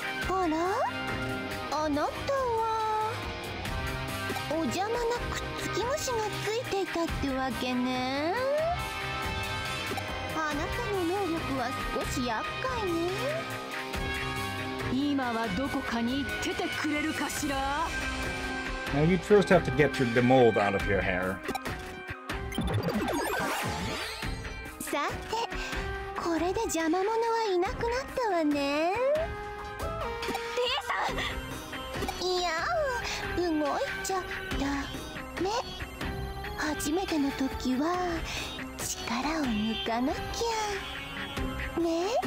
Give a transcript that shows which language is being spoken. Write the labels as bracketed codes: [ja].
[ja] あら、あなたはお邪魔なくっつき虫がついていたってわけね。あなたの能力は少し厄介ね。今はどこかに行っててくれるかしら。 [en] Now you first have to get the mold out of your hair. [ja] さて、これで邪魔者はいなくなったわね。ティエさん、いや、動いちゃダメ。初めての時は力を抜かなきゃね。